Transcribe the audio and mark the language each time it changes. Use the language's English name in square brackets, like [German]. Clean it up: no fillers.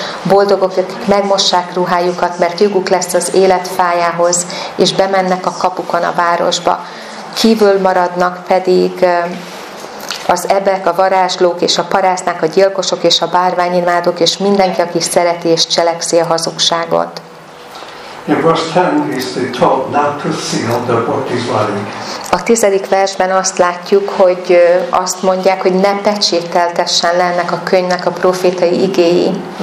[Hungarian] Boldogok, akik megmossák ruhájukat, mert joguk lesz az élet fájához, és bemennek a kapukon a városba. Kívül maradnak pedig az ebek, a varázslók és a parásznák, a gyilkosok és a bárványimádók, és mindenki, aki szereti és cselekszi a hazugságot. [English] In verse 10, he's told not to seal the book he's writing. [Hungarian] A 10. versben azt látjuk, hogy azt mondják, hogy ne pecsételtessen le ennek a könyvnek a profétai igéi.